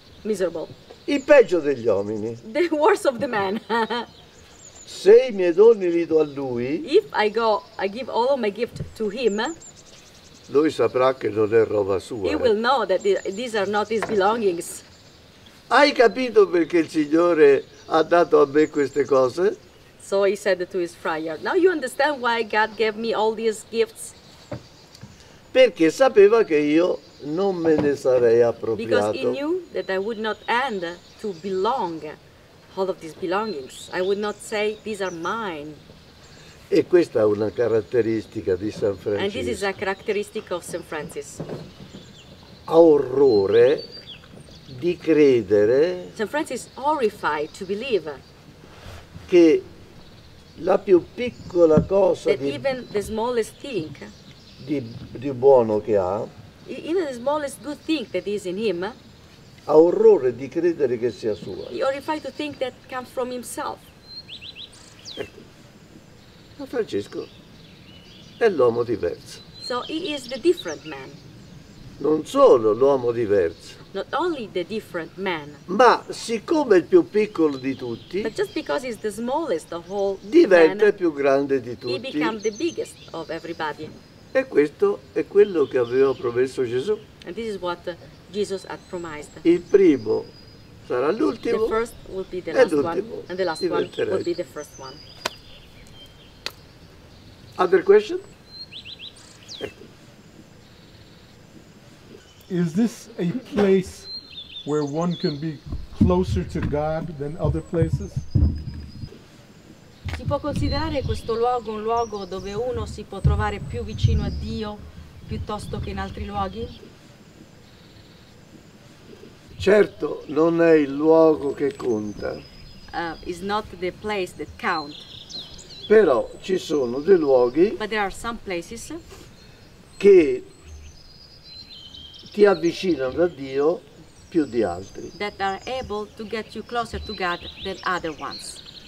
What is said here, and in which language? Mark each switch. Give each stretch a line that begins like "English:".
English: Miserable.
Italian: Il peggio degli uomini.
English: The worst of the men.
Italian: Se i miei doni li do a lui.
English: If I go, I give all of my gift to him.
Italian: Lui saprà che non è roba sua.
English: He will know that these are not his belongings.
Italian: Hai capito perché il Signore ha dato a me queste cose?
English: So he said to his friar, now you understand why God gave me all these gifts?
Italian: Perché sapeva che io non me ne sarei appropriato.
English: Because he knew that I would not end to belong all of these belongings. I would not say these are mine.
Italian: E questa è una caratteristica di San Francisco.
English: And this is a characteristic of St. Francis.
Italian: Ha orrore di credere.
English: St. Francis horrified to believe
Italian: che la più piccola cosa
English: that even the smallest thing
Italian: di buono che ha.
English: Even the smallest good thing that is in him.
Italian: Ha orrore di credere che sia sua.
English: He horrified to think that comes from himself.
Italian: Ma Francesco è l'uomo diverso.
English: So he is the different man.
Italian: Non solo l'uomo diverso.
English: Not only the different man.
Italian: Ma siccome è il più piccolo di tutti.
English: But just because he's the smallest of all.
Italian: Diventa man, il più grande di tutti.
English: He become the biggest of everybody.
Italian: E questo è quello che aveva promesso Gesù.
English: And this is what Jesus had promised.
Italian: Il primo sarà l'ultimo.
English: The first will be the last one. And the last one will be the first one. Other question? Is this a place where one can be closer to God than other places?
Italian: Si può considerare questo luogo un luogo dove uno si può trovare più vicino a Dio piuttosto che in altri luoghi? Certo, non è il luogo che conta.
English: It's not the place that count.
Italian: Però ci sono dei luoghi.
English: But there are some places
Italian: che ti avvicinano a Dio più di altri.
English: That are able to get you closer to God than other ones.